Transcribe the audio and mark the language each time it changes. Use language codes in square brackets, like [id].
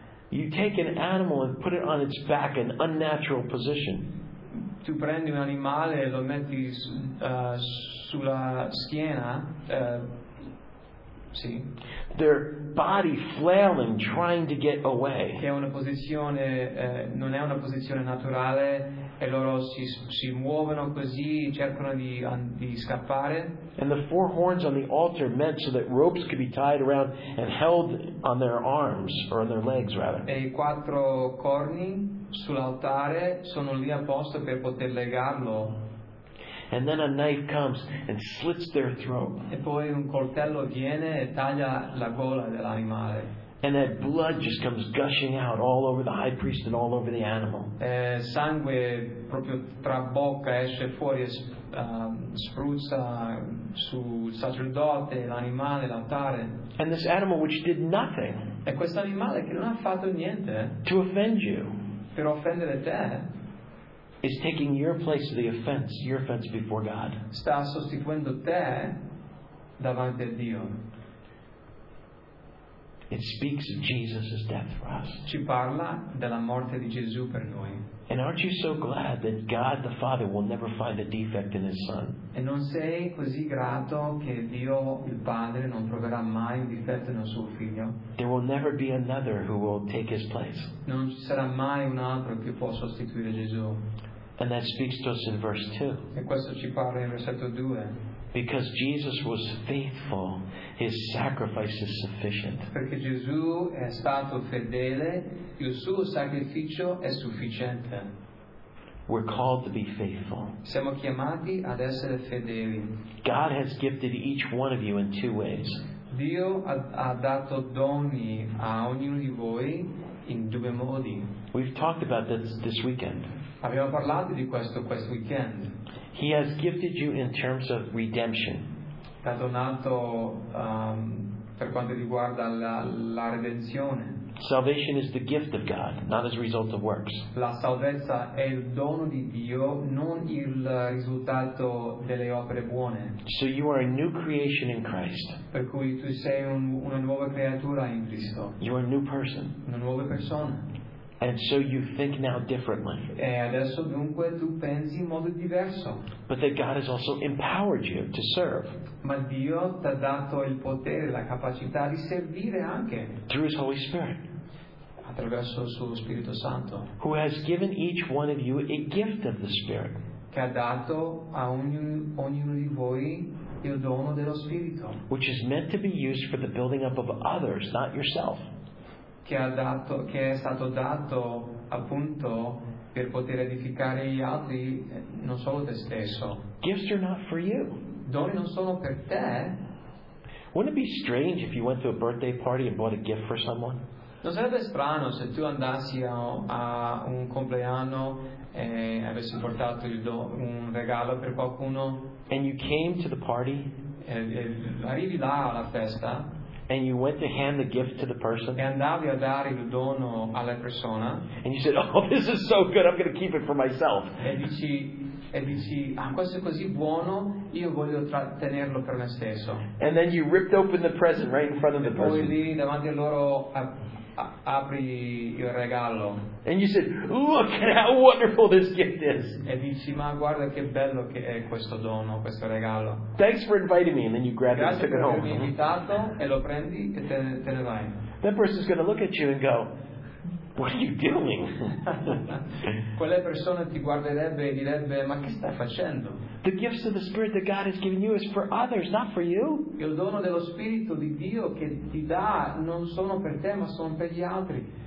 [en] You take an animal and put it on its back in an unnatural position. [it] tu prendi un animale e lo metti sulla schiena, sì. [en] Their body flailing, trying to get away. [it] Che è una posizione, non è una posizione naturale, e loro si muovono così, cercano di scappare. [en] And the four horns on the altar meant so that ropes could be tied around and held on their arms or on their legs rather. [it] E i quattro corni sull'altare sono lì apposta per poter legarlo. [en] And then a knife comes and slits their throat. [it] E poi un coltello viene e taglia la gola dell'animale. [en] And that blood just comes gushing out all over the high priest and all over the animal. [it] Sangue proprio tra bocca esce fuori e spruzza sul sacerdote, l'animale, l'altare. [en] And this animal which did nothing. [it] E questo animale che non ha fatto niente. [en] To offend you. [it] Per offendere te. [en] Is taking your place of the offense, your offense before God. [it] Sta sostituendo te davanti a Dio. [en] It speaks of Jesus' death for us. [it] Ci parla della morte di Gesù per noi. [en] And aren't you so glad that God the Father will never find a defect in His Son? [it] E non sei così grato che Dio il Padre non troverà mai un difetto nel suo figlio? [en] There will never be another who will take His place. [it] Non ci sarà mai un altro che può sostituire Gesù. [en] And that speaks to us in verse 2. [it] E questo ci parla in versetto 2. [en] Because Jesus was faithful, His sacrifice is sufficient. [it] Perché Gesù è stato fedele, il suo sacrificio è sufficiente. [en] We're called to be faithful. [it] Siamo chiamati ad essere fedeli. [en] God has gifted each one of you in two ways. [it] Dio ha dato doni a ognuno di voi in due modi. [en] We've talked about this weekend. [it] Abbiamo parlato di questo questo weekend. [en] He has gifted you in terms of redemption. [it] Ha donato per quanto riguarda la redenzione. [en] Salvation is the gift of God, not as a result of works. [it] La salvezza è il dono di Dio, non il risultato delle opere buone. [en] So you are a new creation in Christ. [it] Per cui tu sei una nuova creatura in Cristo. [en] You are a new person. [it] Una nuova persona. [en] And so you think now differently. [it] E adesso dunque tu pensi in modo diverso. [en] But that God has also empowered you to serve. [it] Ma Dio ti ha dato il potere, la capacità di servire anche. [en] Through His Holy Spirit. [it] Attraverso il suo Spirito Santo. [en] Who has given each one of you a gift of the Spirit. [it] Che ha dato a ognuno di voi il dono dello Spirito. [en] Which is meant to be used for the building up of others, not yourself. [it] Che è stato dato appunto per poter edificare gli altri, non solo te stesso. [en] Gifts are not for you. [it] Doni non sono per te. [en] Wouldn't it be strange if you went to a birthday party and bought a gift for someone? [it] Non sarebbe strano se tu andassi a un compleanno e avessi portato un regalo per qualcuno. [en] And you came to the party. [it] E arrivi là alla festa. [en] And you went to hand the gift to the person. [it] E andavi a dare il dono alla persona. [en] And you said, "Oh, this is so good. I'm going to keep it for myself." [it] E dici, "Ah, questo è così buono, io voglio tenerlo per me stesso." [en] And then you ripped open the present right in front of the person. [it] E poi lì davanti a loro apri il regalo. [en] And you said, "Look at how wonderful this gift is." [it] E dici, "Ma guarda che bello che è questo dono, questo regalo." [en] Thanks for inviting me, and then you grab [it] grazie [en] it and took it home. [it] Grazie per avermi invitato, e lo prendi e te ne vai. [en] That person is going to look at you and go, "What are you doing?" [it] Quella persona ti guarderebbe e direbbe, "Ma che stai facendo?" [en] The gifts of the Spirit that God has given you is for others, not for you. [it] Il dono dello Spirito di Dio che ti dà non sono per te, ma sono per gli altri.